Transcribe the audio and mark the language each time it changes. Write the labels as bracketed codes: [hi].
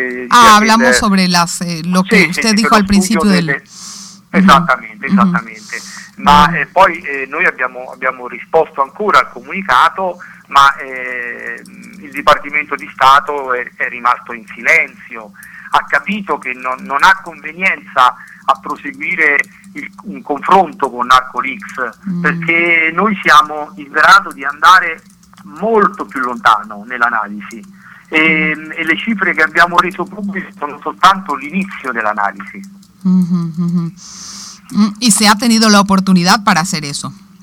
[es] hablamos sobre lo que usted dijo al principio del... [it] Esattamente, mm-hmm. esattamente. Mm-hmm. Ma poi noi abbiamo risposto ancora al comunicato, ma il Dipartimento di Stato è rimasto in silenzio, ha capito che non ha convenienza a proseguire un confronto con Narcoleaks, perché noi siamo in grado di andare molto più lontano nell'analisi e le cifre che abbiamo reso pubbliche sono soltanto l'inizio dell'analisi. Mm-hmm. [es] Mm-hmm. Y se ha tenido la oportunidad para hacer eso.